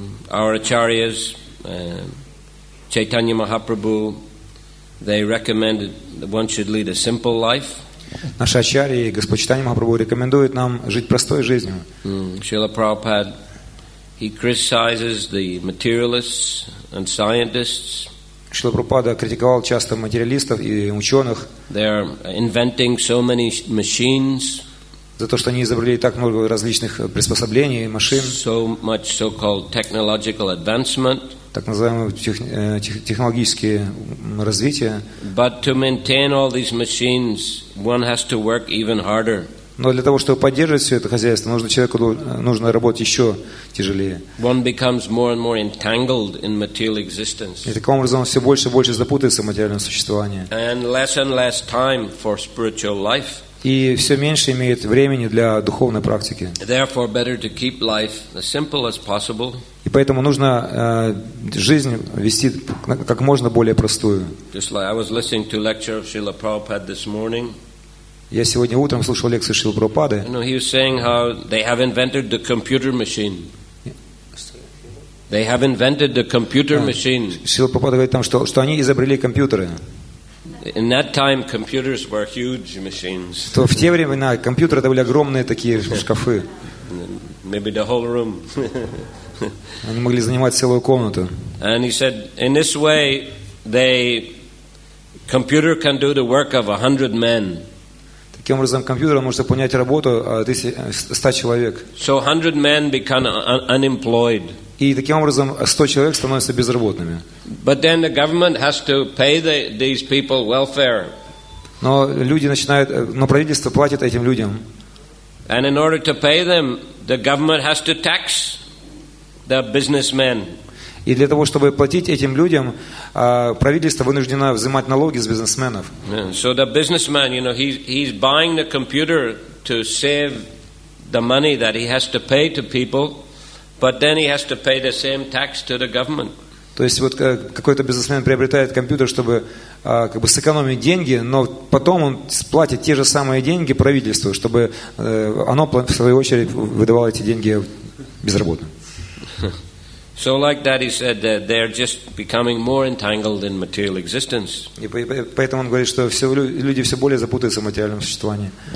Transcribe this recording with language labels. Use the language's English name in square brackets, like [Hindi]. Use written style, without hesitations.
[English] Our acharyas, Chaitanya Mahaprabhu, they recommended that one should lead a simple life. [Russian] Наши ачарьи и Господь Чайтанья Махапрабху рекомендуют нам жить простой жизнью. [English] Шрила Прабхупад, he criticizes the materialists and scientists. [Russian] Шрила Прабхупада критиковал часто материалистов и ученых. [English] They are inventing so many machines. [Russian] За то, что они изобрели так много различных приспособлений и машин. [English] So much so-called technological advancement. [Russian] Так называемое технологическое развитие. [English] But to maintain all these machines, one has to work even harder. [Russian] Но для того, чтобы поддерживать все это хозяйство, нужно человеку нужно работать еще тяжелее. [English] One becomes more and more entangled in material existence. [Russian] И таким образом он все больше и больше запутывается в материальном существовании. [English] And less time for spiritual life. [Russian] И все меньше имеет времени для духовной практики. [English] Therefore, better to keep life as simple as possible. [Russian] И поэтому нужно жизнь вести как можно более простую. [English] Just like I was listening to lecture of Srila Prabhupada this morning. [Russian] Я сегодня утром слушал лекцию Шрилы Прабхупады. [English] You know, he was saying how they have invented the computer machine. They have invented the computer machine. [Russian] Шрила Прабхупада говорит там, что они изобрели компьютеры. [English] In that time, computers were huge machines. [Russian] То в те времена компьютеры это были огромные такие шкафы. [English] Maybe the whole room. [Russian] Они могли занимать целую комнату. [English] And he said, in this way, computer can do the work of 100 men. [Russian] Таким образом, компьютер может выполнять работу 100 человек. [English] So 100 men become unemployed. [Russian] И таким образом 100 человек становятся безработными. [English] But then the government has to pay these people welfare. [Russian] Но правительство платит этим людям. [English] And in order to pay them, the government has to tax the businessmen. [Russian] И для того, чтобы платить этим людям, правительство вынуждено взимать налоги с бизнесменов. [English] So the businessman, you know, he's buying the computer to save the money that he has to pay to people. But then he has to pay the same tax to the government. [Russian] То есть вот какой-то бизнесмен приобретает компьютер, чтобы как бы сэкономить деньги, но потом он платит те же самые деньги правительству, чтобы оно в свою очередь выдавало эти деньги безработным. [English] So like that, he said that they're just becoming more entangled in material existence. [Russian] И поэтому он говорит, что все люди все более запутаются в материальном существовании.